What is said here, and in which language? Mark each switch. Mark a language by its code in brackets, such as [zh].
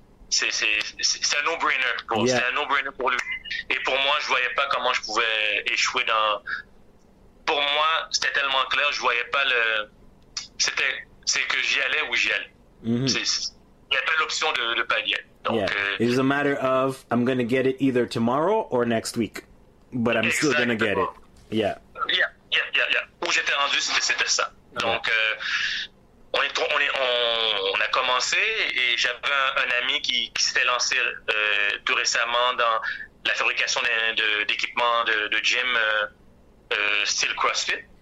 [fr] C'est un no-brainer. C'est un no-brainer pour lui. Et pour moi, je ne voyais pas comment je pouvais échouer dans... Pour moi, c'était tellement clair, je voyais pas le... C'est que j'y allais ou j'y allais. Il n'y a pas l'option de pas y aller. Donc, yeah. [en] It's a matter of I'm going to get it either tomorrow or next week, but I'm still going to get it. Yeah. [fr] Yeah. Où j'étais rendu, c'était ça. Donc, on a commencé et j'avais un ami qui s'était lancé tout récemment dans la fabrication d'équipements de gym style CrossFit.